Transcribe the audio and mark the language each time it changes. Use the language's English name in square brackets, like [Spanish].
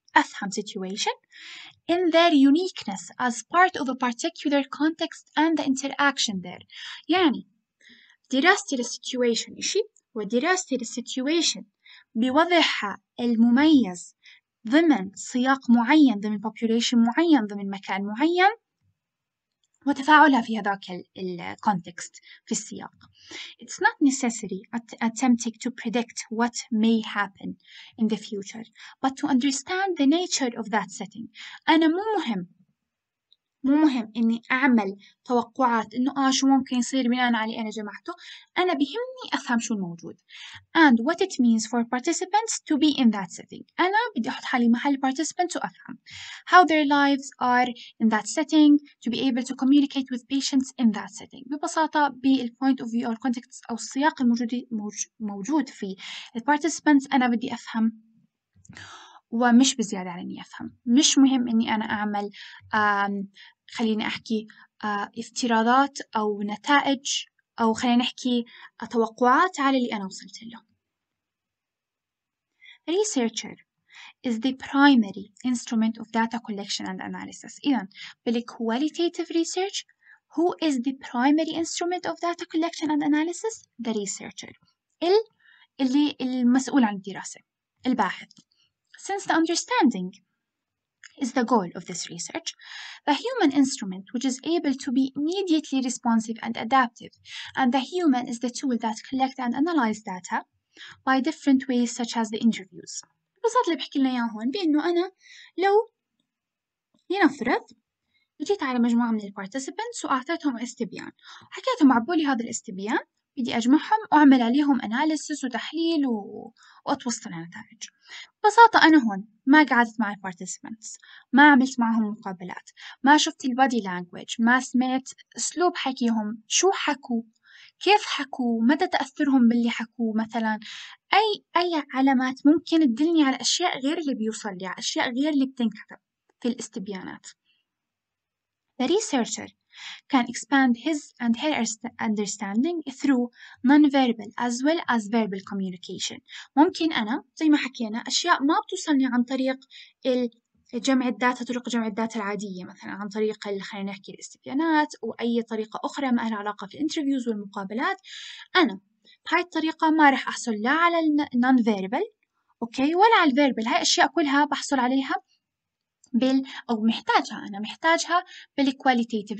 [Arabic] أفهم [English] situation in their uniqueness as part of a particular context and the interaction there. [Arabic] يعني دراستي للsituation إشي، ودراستي للsituation بوضعها المميز ضمن سياق معين، ضمن population معين، ضمن مكان معين، وتفاعلها في هذاك الـ context في السياق. [English] It's not necessary attempting to predict what may happen in the future, but to understand the nature of that setting. [Arabic] أنا مو مهم مو مهم إني أعمل توقعات إنه شو ممكن يصير بناء على أنا جمعته، أنا بهمني أفهم شو الموجود. [English] And what it means for participants to be in that setting. [Arabic] أنا بدي أحط حالي محل participants وأفهم. [English] How their lives are in that setting to be able to communicate with patients in that setting. [Arabic] ببساطة بالpoint of view أو context أو السياق الموجود موجود في participants أنا بدي أفهم. ومش بزيادة على إني أفهم، مش مهم إني أنا أعمل خليني أحكي افتراضات أو نتائج أو خليني أحكي توقعات على اللي أنا وصلت له. [English] Researcher is the primary instrument of data collection and analysis. إذن بالqualitative research, who is the primary instrument of data collection and analysis? The researcher. [Arabic] اللي المسؤول عن الدراسة، الباحث. [English] Since the understanding is the goal of this research, the human instrument which is able to be immediately responsive and adaptive, and the human is the tool that collect and analyze data by different ways such as the interviews. [Arabic] ببساطة اللي بحكي لنا اياه هون بانه انا لو لنفرض جيت على مجموعة من الparticipants واعطيتهم استبيان، حكيتهم عبوا لي هذا الاستبيان، بدي اجمعهم واعمل عليهم analysis وتحليل واتوسط النتائج. ببساطة أنا هون ما قعدت مع الparticipants، ما عملت معهم مقابلات، ما شفت البادي لانجويج، ما سمعت أسلوب حكيهم، شو حكوا، كيف حكوا، مدى تأثرهم باللي حكوا مثلا، أي علامات ممكن تدلني على أشياء غير اللي بيوصل لي، على أشياء غير اللي بتنكتب في الاستبيانات. [English] The researcher can expand his and her understanding through non-verbal as well as verbal communication. [Arabic] ممكن أنا زي ما حكينا أشياء ما بتوصلني عن طريق جمع الداتا، طرق جمع الداتا العادية مثلا عن طريق خلينا نحكي الاستبيانات وأي طريقة أخرى ما لها علاقة في الانترفيوز والمقابلات. أنا بهاي الطريقة ما رح أحصل لا على non-verbal أوكي ولا على verbal، هاي أشياء كلها بحصل عليها أو محتاجها، أنا محتاجها بالكواليتيتيف.